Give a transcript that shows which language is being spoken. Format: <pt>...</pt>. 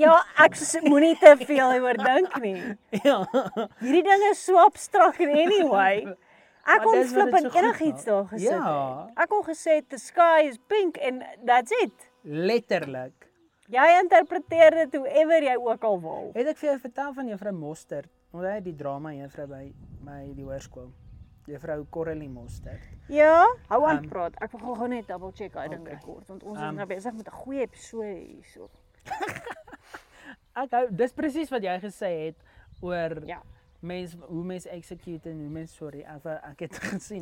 <af>Ja, ek moet nie te veel oor dink nie. Ja. Hierdie ding is so abstrak in anyway. Ek kon flip in enig iets daar gesit. Ja. Ek kon gesê,</af> <en>the sky is pink and that's it.</en> <af>Letterlik. Jy interpreteer dit hoever jy ook al wil. Het ek vir jou vertel van juffrou Mostert, want hy het die drama juffrou by my die hoërskool. Juffrou Corrie Mostert. Ja, hou aan praat. Ek wil gou net double check hy ding rekord, want ons is nou besig met 'n goeie episode hierso. Ek hou, dis presies wat jy gesê het oor ja. Mens, hoe mens execute en hoe mens, sorry, ek het gesien.</af>